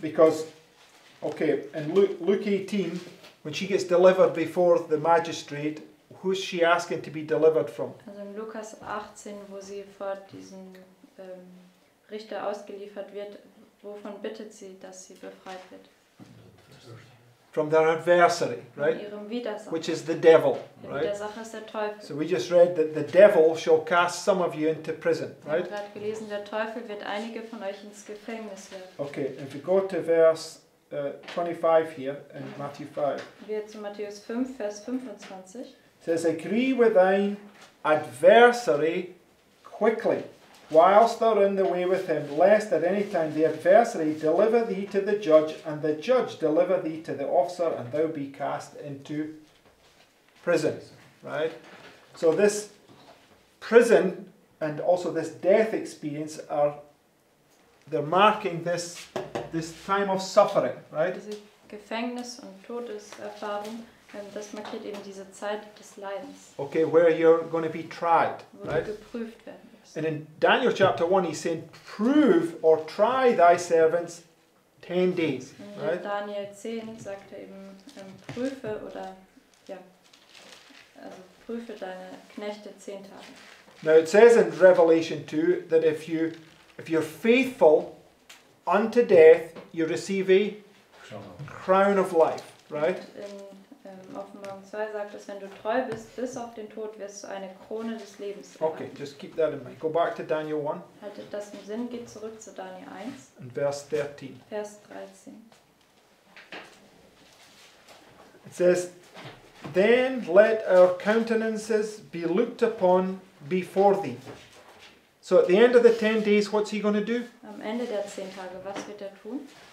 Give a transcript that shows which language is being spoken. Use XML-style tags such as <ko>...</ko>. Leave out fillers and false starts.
<en>Because, okay, in Luke 18, when she gets delivered before the magistrate, who's she asking to be delivered from?</en> <de>Also in Lukas 18, wo sie vor diesen Richter ausgeliefert wird, wovon bittet sie, dass sie befreit wird?</de> <en>From their adversary, right?</en> <de>Von ihrem Widersacher.</de> <en>Which is the devil, right?</en> <de>Der Widersacher ist der Teufel.</de> <en>So we just read that the devil shall cast some of you into prison, right?</en> <de>Wir haben gerade gelesen, der Teufel wird einige von euch ins Gefängnis werfen.</de> <en>Okay, if we go to verse 25 here in Matthew 5.</en> <de>Wir zu Matthäus 5, Vers 25.</de> <en>It says, agree with thine adversary quickly, whilst thou art in the way with him, lest at any time the adversary deliver thee to the judge, and the judge deliver thee to the officer, and thou be cast into prison. Right? So this prison and also this death experience are, they're marking this time of suffering, right?</en> <de>Diese Gefängnis- und Todeserfahrung. Das markiert eben diese Zeit des Leidens.</de> <en>Okay, where you're going to be tried,</en> <de>wo</de> <en>right?</en> <de>Du geprüft werden wirst.</de> <en>And in Daniel chapter 1, he said, prove or try thy servants 10 days.</en> <de>In</de> <en>right?</en> <de>Daniel 10 sagt er eben, prüfe oder, ja, also prüfe deine Knechte 10 Tage.</de> <en>Now it says in Revelation 2 that if you're faithful unto death, you receive a crown of life, right?</en> <de>Offenbarung 2 sagt, dass wenn du treu bist, bis auf den Tod, wirst du eine Krone des Lebens bekommen.</de> <en>Okay, just keep that in mind. Go back to Daniel 1.</en> <de>Haltet das im Sinn, geht zurück zu Daniel 1. Und Vers 13. Vers 13.</de> <en>It says, then let our countenances be looked upon before thee. So at the end of the 10 days, what's he going to do?</en> <de>Am Ende der 10 Tage, was wird er tun?</de>